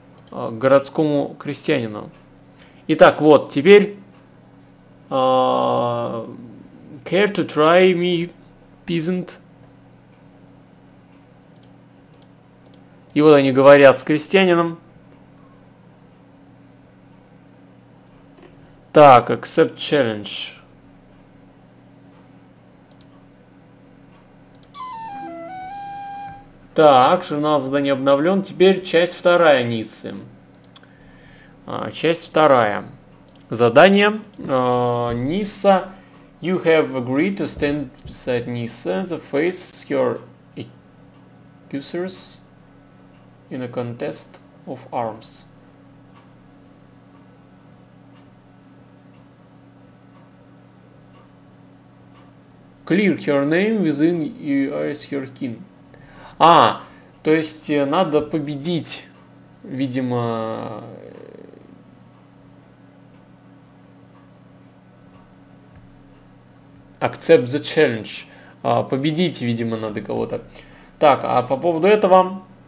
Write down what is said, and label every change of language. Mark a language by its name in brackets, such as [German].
[Russian] К городскому крестьянину. Итак, вот, теперь... [English] Care to try me, peasant? [Russian] И вот они говорят с крестьянином. [English] Так, accept challenge. [Russian] Так, журнал задания обновлен. Теперь часть вторая Ниссы. Часть вторая. Задание. Ниса. [English] You have agreed to stand beside Nissa to face your accusers in a contest of arms. Clear your name within your kin. [Russian] А, то есть надо победить, видимо... [English] Accept the challenge. [Russian] Победить, видимо, надо кого-то. Так, а по поводу этого...